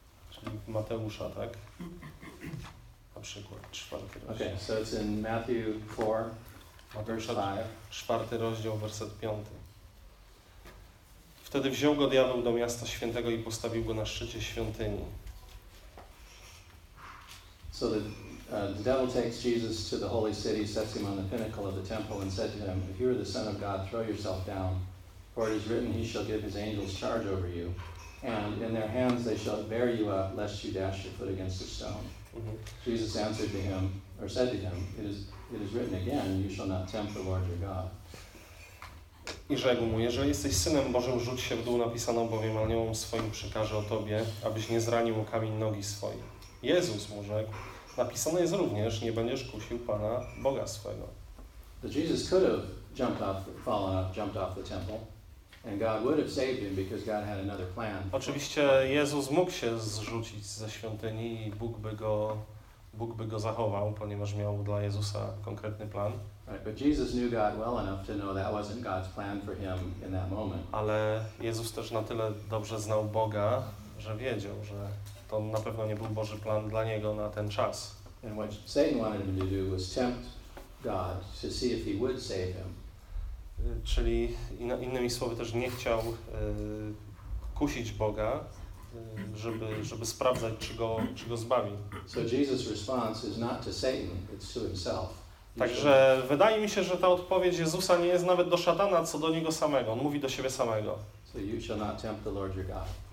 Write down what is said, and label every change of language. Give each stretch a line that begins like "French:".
Polish: Czyli Mateusza, tak? Na przykład, czwarty rozdział.
English: Okay, so it's in Matthew 4,
Polish: Mateusza, czwarty rozdział, werset 5. Wtedy wziął go diabeł do miasta świętego i postawił go na szczycie świątyni.
English: So the devil takes Jesus to the holy city, sets him on the pinnacle of the temple, and said to him, if you are the Son of God, throw yourself down, for it is written, he shall give his angels charge over you, and in their hands they shall bear you up, lest you dash your foot against a stone. Mm-hmm. Jesus answered to him, or said to him, it is written again, you shall not tempt the Lord your God.
Polish: I rzekł mu, jeżeli jesteś Synem Bożym, rzuć się w dół, napisano bowiem aniołom swoim przekaże o tobie, abyś nie zranił o kamień nogi swojej. Jezus mu rzekł, napisane jest również, nie będziesz kusił Pana Boga swego.
English: But Jesus could have jumped off, fallen off, jumped off the temple, and God would have saved him because God had another plan.
Polish: Oczywiście Jezus mógł się zrzucić ze świątyni i Bóg by go zachował, ponieważ miał dla Jezusa konkretny plan.
English: Right, but Jesus knew God well enough to know that wasn't God's plan for him in that moment.
Polish: Ale Jezus też na tyle dobrze znał Boga, że wiedział, że to na pewno nie był Boży plan dla niego na ten czas.
English: And what Satan wanted him to do was tempt God to see if he would save him.
Polish: Czyli innymi słowy też nie chciał kusić Boga, żeby sprawdzać, czy go zbawi.
English: So Jesus' response is not to Satan, it's to himself.
Polish: Także wydaje mi się, że ta odpowiedź Jezusa nie jest nawet do szatana, co do niego samego. On mówi do siebie samego.
English: So you shall not tempt the Lord your God.